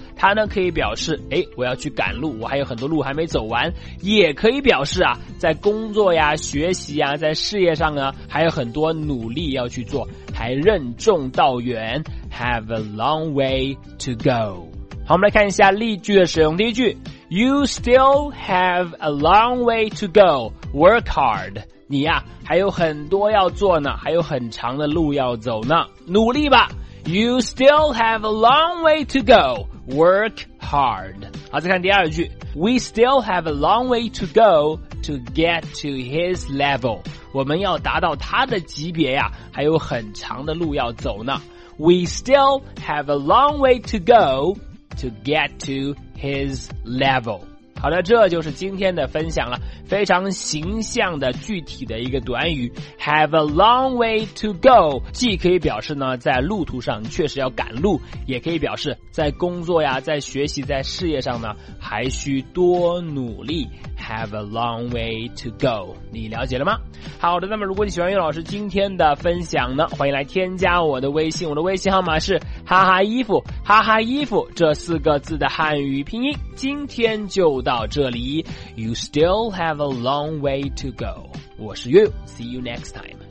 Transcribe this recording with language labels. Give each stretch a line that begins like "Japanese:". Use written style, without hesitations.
Chinese: 它呢可以表示诶，我要去赶路，我还有很多路还没走完，也可以表示啊在工作呀、学习呀、在事业上呢还有很多努力要去做，还任重道远。
English: Have a long way to go。
Chinese: 好，我们来看一下例句的使用。第一句，
English: You still have a long way to go, work hard。
Chinese: 你呀还有很多要做呢，还有很长的路要走呢，努力吧。
English: You still have a long way to go, work hard。
Chinese: 好，再看第二句，
English: We still have a long way to go to get to his level。
Chinese: 我们要达到他的级别呀还有很长的路要走呢。
English: We still have a long way to go to get to his level。
Chinese: 好的，这就是今天的分享了，非常形象的具体的一个短语，
English: Have a long way to go，
Chinese: 既可以表示呢在路途上确实要赶路，也可以表示在工作呀、在学习、在事业上呢还需多努力。
English: Have a long way to go，
Chinese: 你了解了吗？好的，那么如果你喜欢于老师今天的分享呢，欢迎来添加我的微信，我的微信号码是哈哈衣服，哈哈衣服这四个字的汉语拼音。今天就到这里，
English: You still have a long way to go。
Chinese: 我是
English: You， See you next time。